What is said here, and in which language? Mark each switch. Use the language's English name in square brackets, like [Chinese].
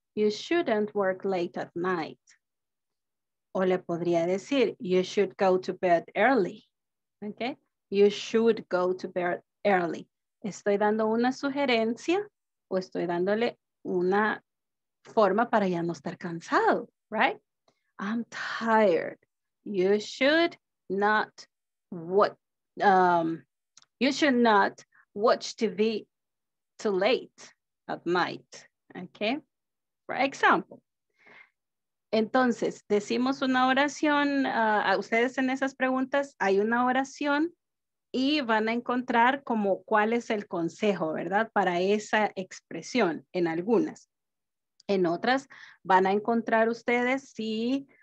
[English] You shouldn't work late at night. [Spanish] O le podría decir, [English] you should go to bed early, okay? You should go to bed early. [Spanish] Estoy dando una sugerencia o estoy dándole una forma para ya no estar cansado, right? [English] I'm tired. You should not watch TV too late at night, okay? For example. [Spanish] Entonces, decimos una oración, a ustedes en esas preguntas, hay una oración y van a encontrar como cuál es el consejo, ¿verdad? Para esa expresión en algunas. En otras van a encontrar ustedes si